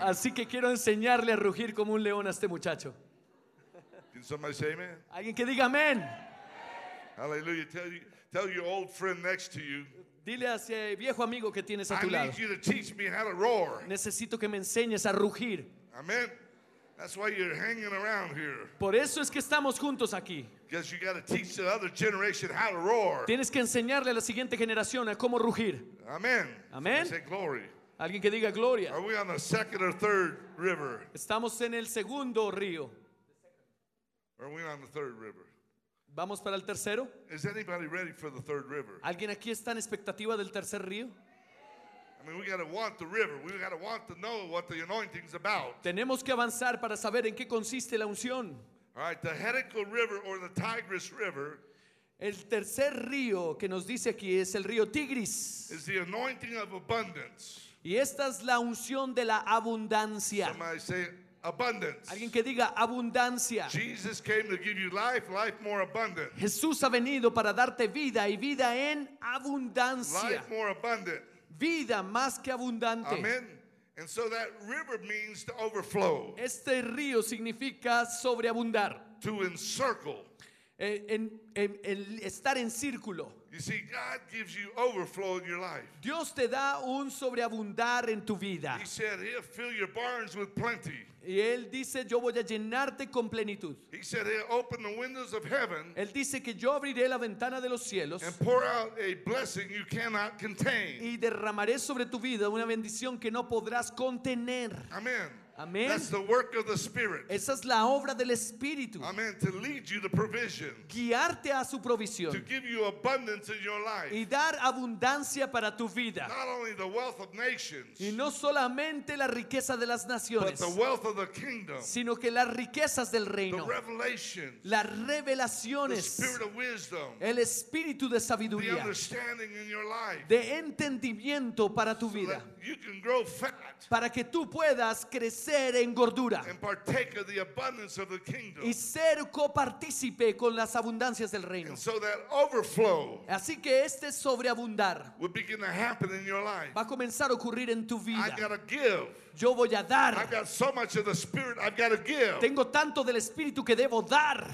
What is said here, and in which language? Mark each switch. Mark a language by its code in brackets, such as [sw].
[es] Así que quiero enseñarle a rugir como un león a este muchacho. [en] Can somebody say amen? [es] Alguien que diga amén. [en] Hallelujah. Tell your old friend next to you. [es] Dile a ese viejo amigo que tienes a tu lado. [en] I need you to teach me how to roar. [es] Necesito que me enseñes a rugir. [en] Amen. That's why you're hanging around here. [es] Por eso es que estamos juntos aquí. [en] Because you got to teach the other generation how to roar. [es] Tienes que enseñarle a la siguiente generación a cómo rugir. [en] Amen. [es] Amen. [en] Say glory. [es] Alguien que diga gloria. [en] Are we on the second or third river? [es] Estamos en el segundo río. [en] Or are we on the third river? [es] Vamos para el tercero. [en] Is anybody ready for the third river? [es] ¿Alguien aquí está en expectativa del tercer río? [en] I mean, we got to want the river. We got to want to know what the anointing is about. [es] Tenemos que avanzar para saber en qué consiste la unción. [en] All right, the Jericho River or the Tigris River. [es] El tercer río que nos dice aquí es el río Tigris. [en] Is the anointing of abundance. [es] Y esta es la unción de la abundancia. [en] Somebody say abundance. [es] Alguien que diga abundancia. [en] Jesus came to give you life, life more abundant. [es] Jesús ha venido para darte vida y vida en abundancia. [en] Life more abundant. [es] Vida más que abundante. [en] Amen. And so that river means to overflow. [es] Este río significa sobreabundar. [en] To encircle. [es] En estar en círculo. [en] You see, God gives you overflow in your life. [es] Dios te da un sobreabundar en tu vida. [en] He said, "He'll fill your barns with plenty." [es] Y él dice, "Yo voy a llenarte con plenitud." [en] He said, "He'll open the windows of heaven." [es] Él dice que yo abriré la ventana de los cielos. [en] And pour out a blessing you cannot contain. [es] Y derramaré sobre tu vida una bendición que no podrás contener. [en] Amen. [es] Amen. [en] That's the work of the Spirit. [es] Esa es la obra del Espíritu. [en] Amen. To lead you to provision. [es] Guiarte a su provisión. [en] To give you abundance in your life. [es] Y dar abundancia para tu vida. [en] Not only the wealth of nations. [es] Y no solamente la riqueza de las naciones. [en] But the wealth of the kingdom. [es] Sino que las riquezas del reino. [en] The revelations. [es] Las revelaciones. [en] The spirit of wisdom. [es] El espíritu de sabiduría. [en] The understanding in your life. [es] De entendimiento para tu vida. [en] So that you can grow fat. [es] Para que tú puedas crecer. Ser en gordura [en] and partake of the abundance of the kingdom. [es] Y ser copartícipe con las abundancias del reino. [en] And so that overflow. [es] Así que este sobreabundar [en] will begin to happen in your life. [es] Va a comenzar a ocurrir en tu vida. [en] I gotta give. [es] Yo voy a dar. [en] I've got so much of the Spirit I've got to give. [es] Tengo tanto del Espíritu que debo dar.